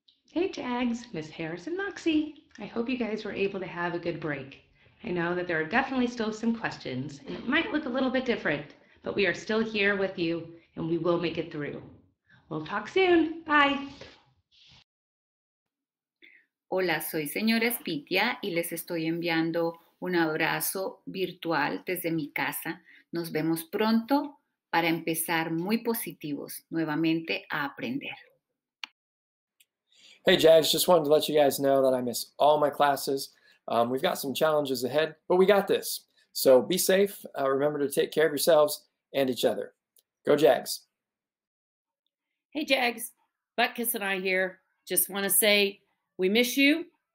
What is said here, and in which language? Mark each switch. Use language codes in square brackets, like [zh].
[en] Hey, Jags, Miss Harris and Moxie. I hope you guys were able to have a good break. I know that there are definitely still some questions, and it might look a little bit different, but we are still here with you, and we will make it through. We'll talk soon. Bye. [es] Hola, soy señora Espitia y les estoy enviando un abrazo virtual desde mi casa. Nos vemos pronto para empezar muy positivos nuevamente a aprender. [en] Hey, Jags, just wanted to let you guys know that I miss all my classes. We've got some challenges ahead, but we got this. So be safe. Remember to take care of yourselves and each other. Go Jags. Hey, Jags, Buttkiss and I here. Just want to say, we miss you.